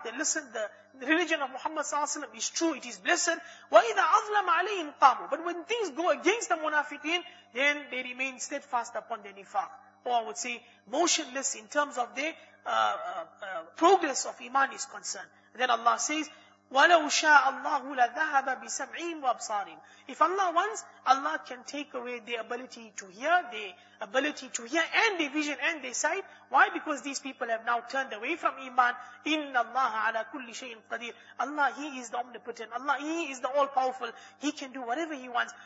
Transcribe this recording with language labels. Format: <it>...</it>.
<en>They listen, the religion of Muhammad sallallahu alaihi wasallam is true, it is blessed.</en> <ar>وَإِذَا أَظْلَمَ عَلَيْهِمْ قَامُوا.</ar> <en>But when things go against the munafiqeen, then they remain steadfast upon their nifaq. Or I would say, motionless in terms of their progress of iman is concerned. And then Allah says,</en> <ar>وَلَوْ شَاءَ اللَّهُ لَذَهَبَ بِسَمْعِهِمْ وَأَبْصَارِهِمْ.</ar> <en>If Allah wants, Allah can take away their ability to hear, and their vision and their sight. Why? Because these people have now turned away from iman.</en> <ar>إِنَّ اللَّهَ عَلَى كُلِّ شَيْءٍ قَدِيرٍ.</ar> <en>Allah, He is the omnipotent. Allah, He is the all-powerful. He can do whatever He wants.</en>